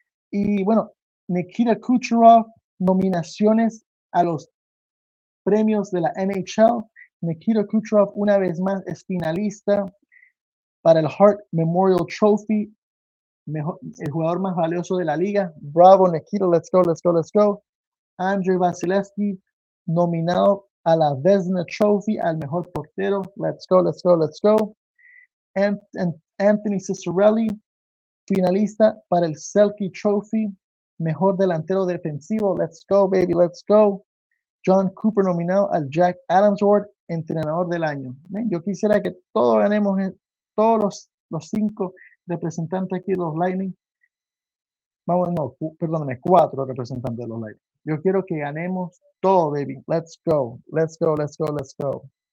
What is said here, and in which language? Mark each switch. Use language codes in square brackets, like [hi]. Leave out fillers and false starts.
[es] Y bueno, Nikita Kucherov, nominaciones a los premios de la NHL. Nikita Kucherov, una vez más, es finalista para el Hart Memorial Trophy, el jugador más valioso de la liga. [en] Bravo, Nikita, let's go, let's go, let's go. [es] Andrei Vasilevskiy, nominado a la Vezina Trophy, al mejor portero. [en] Let's go, let's go, let's go. [es] Anthony Cicerelli, finalista para el Selke Trophy, mejor delantero defensivo. [en] Let's go, baby, let's go. [es] John Cooper nominado al Jack Adams Award, entrenador del año. Yo quisiera que todos ganemos, todos los cinco representantes aquí de los Lightning. Vamos, no, perdóname, cuatro representantes de los Lightning. Yo quiero que ganemos todo, baby. [en] Let's go, let's go, let's go, let's go.